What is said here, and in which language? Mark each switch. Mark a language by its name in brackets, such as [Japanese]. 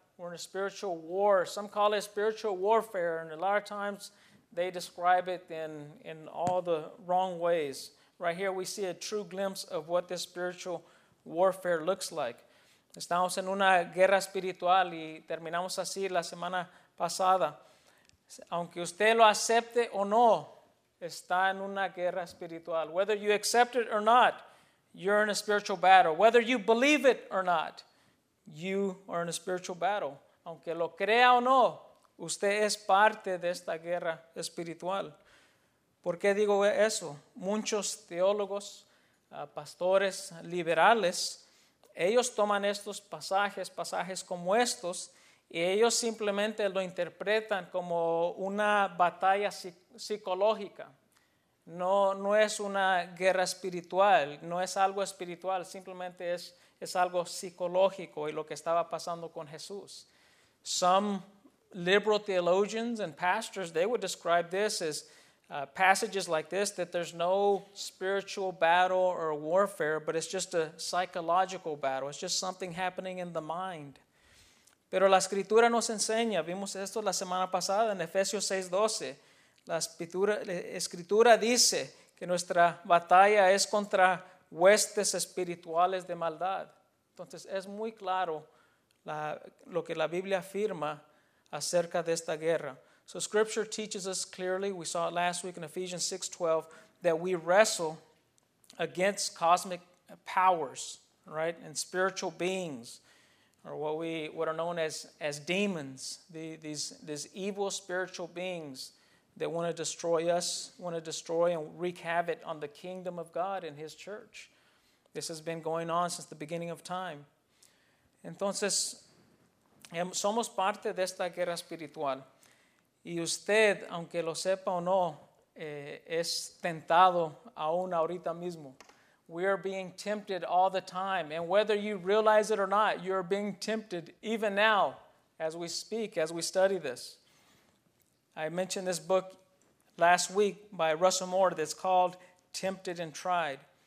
[English] We're in a spiritual war. Some call it spiritual warfare, and a lot of times they describe it in all the wrong ways. Right here we see a true glimpse of what this spiritual warfare looks like. [Spanish] Estamos en una guerra espiritual y terminamos así la semana pasada. Aunque usted lo acepte o no, está en una guerra espiritual. [English] Whether you accept it or not, you're in a spiritual battle. Whether you believe it or not, you are in a spiritual battle. [Spanish] Aunque lo crea o no, usted es parte de esta guerra espiritual. ¿Por qué digo eso? Muchos teólogos, pastores liberales, ellos toman estos pasajes como estos, y ellos simplemente lo interpretan como una batalla psicológica. No es una guerra espiritual, no es algo espiritual, simplemente es algo psicológico y lo que estaba pasando con Jesús. [English] Some liberal theologians and pastors, they would describe this as passages like this, that there's no spiritual battle or warfare, but it's just a psychological battle. It's just something happening in the mind. [Spanish] Pero la Escritura nos enseña, vimos esto la semana pasada en Efesios 6:12, la Escritura dice que nuestra batalla es contra huestes espirituales de maldad. Entonces es muy claro lo que la Biblia afirma acerca de esta guerra. [English] So Scripture teaches us clearly, we saw it last week in Ephesians 6:12, that we wrestle against cosmic powers, right, and spiritual beings, or what are known as demons, these evil spiritual beings that want to destroy us, want to destroy and wreak havoc on the kingdom of God and His church. This has been going on since the beginning of time. [Spanish] Entonces, somos parte de esta guerra espiritual. Y usted, aunque lo sepa o no, es tentado aún ahorita mismo. [English] We are being tempted all the time. And whether you realize it or not, you're being tempted even now as we speak, as we study this. I mentioned this book last week by Russell Moore that's called Tempted and Tried.